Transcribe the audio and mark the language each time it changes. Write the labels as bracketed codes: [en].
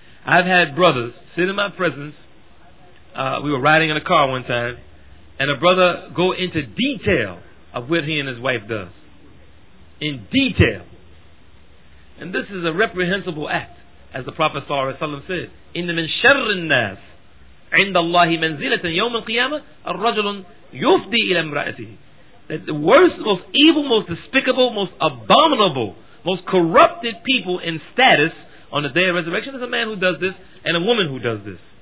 [en] I've had brothers sit in my presence. We were riding in a car one time, and a brother go into detail of what he and his wife does. In detail. And this is a reprehensible act, as the Prophet ﷺ said, [ar] "Inna min sharri an-nas عند الله منزلة يوم القيامة الرجل يفدي إلى امرأته. [en] That the worst, most evil, most despicable, most abominable, most corrupted people in status on the day of resurrection is a man who does this and a woman who does this.